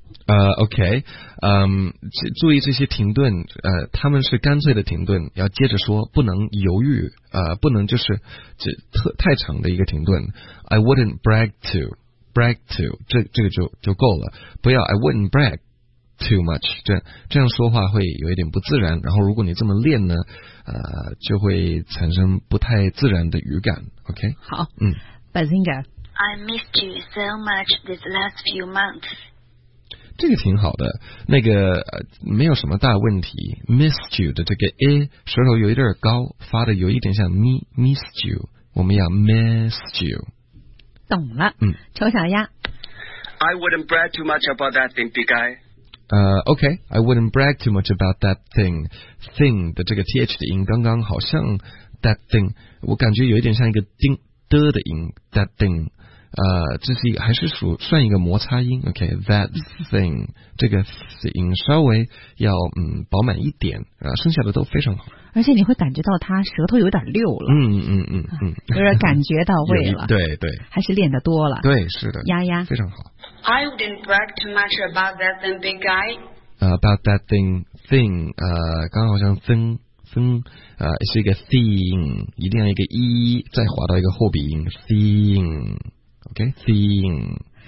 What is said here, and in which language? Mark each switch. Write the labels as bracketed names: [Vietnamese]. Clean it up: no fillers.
[Chinese] OK, 注意这些停顿，他们是干脆的停顿，要接着说，不能犹豫，不能就是这太长的一个停顿。 [English] I wouldn't brag to, [Chinese] 这个就够了，不要 [English] I wouldn't brag [Chinese] too much， 这样说话会有一点不自然，然后如果你这么练呢，就会产生不太自然的语感。 OK，好，Bazinga， [English] I missed you so much this last few months。 [Chinese] 这个挺好的，那个没有什么大问题。 Missed you 的这个 a 舌头有一点高，发的有一点像 missed you， 我们要 missed you。懂了，丑小鸭。 [English] I wouldn't brag too much about that thing, big guy。 Okay, I wouldn't brag too much about that thing。 [Chinese] thing 的这个 th 的音刚刚好像 that thing， 我感觉有一点像一个叮的的音 that thing。这是一个还是算一个摩擦音 ，OK， that thing， 这个音稍微要饱满一点啊，剩下的都非常好。而且你会感觉到他舌头有点溜了，有点感觉到位了，对对，还是练得多了，对，是的，丫丫非常好。 [English] I wouldn't brag too much about that thing, big guy. [Chinese] About that thing， 刚好像thing是一个 thing， 一定要一个e再滑到一个后鼻音 thing。 [English] Okay, thing.